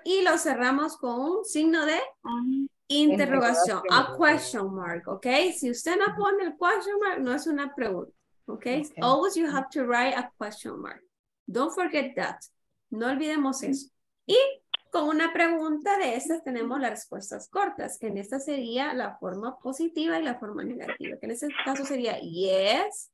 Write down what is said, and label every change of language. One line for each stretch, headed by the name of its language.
Spanish: y lo cerramos con un signo de interrogación,
English: a question mark,
Spanish: ok. Si usted no pone el question mark, no es una pregunta, okay? Ok.
English: Always you have to write a question mark. Don't forget that.
Spanish: No olvidemos eso. Y con una pregunta de estas tenemos las respuestas cortas, que en esta sería la forma positiva y la forma negativa, que en este caso sería yes.